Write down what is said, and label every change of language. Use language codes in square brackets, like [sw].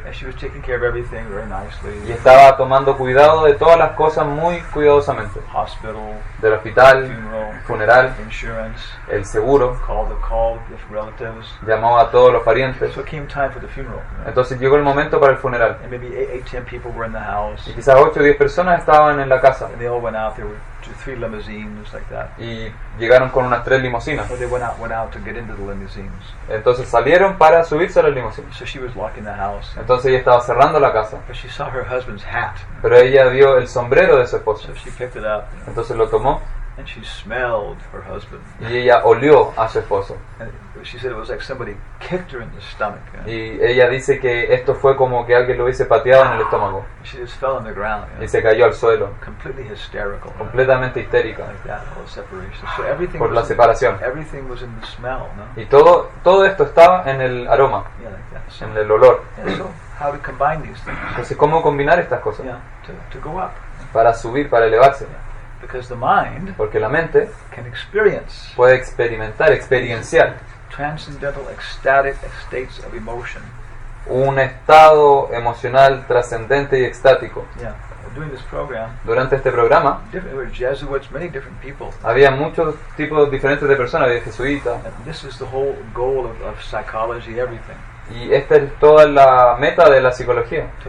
[en] And she was taking care of everything very nicely. [es] Y estaba tomando cuidado de todas las cosas muy cuidadosamente. [en] Hospital. [es] Del hospital. [en] Funeral. [es] Funeral. [en] Insurance. [es] El seguro. [en] Called the relatives. [es] Llamó a todos los parientes. [en] So came time for the funeral. [es] Entonces llegó el momento para el funeral. [en] And maybe 8-10 people were in the house. [es] Y quizás 8-10 personas estaban en la casa. [en] And they all went out. There were 2-3 limousines like that. [es] Y llegaron con unas 3 limusinas. [en] So they went out to get into the limousines. [es] Entonces salieron para subirse a las limusinas. [en] So she was locking the house. [es] Entonces ella estaba cerrando la casa. [en] But she saw her husband's hat. [es] Pero ella vio el sombrero de su esposo. [en] So she picked it up. [es] Entonces lo tomó. [en] And she smelled her husband. [es] Y ella olió a su esposo. [en] And she said it was like somebody kicked her in the stomach. [es] Y ella dice que esto fue como que alguien lo hubiese pateado en el estómago. [en] She just fell on the ground. [es] Y se cayó al suelo. [en] Completely hysterical. [es] Completamente histérica. [en] Like that, all separation. So everything [es] por la separación. [en] Everything was in the smell, no? [es] Y todo esto estaba en el aroma. [en] Yeah, like that. So, [es] en el olor. [en] Yeah, so how to combine these things? [es] Entonces, ¿cómo combinar estas cosas? [en] Yeah, to go up. [es] Para subir, para elevarse. [en] Yeah. Because the mind, [es] porque la mente, [en] can experience, [es] puede experimentar, experienciar, [en] transcendental ecstatic states of emotion, [es] un estado emocional trascendente y extático. [en] Yeah, during this program, [es] durante este programa, [en] there were Jesuits, many different people, [es] había muchos tipos diferentes de personas, había jesuitas. [en] This is the whole goal of psychology, everything. [es] Y esta es toda la meta de la psicología.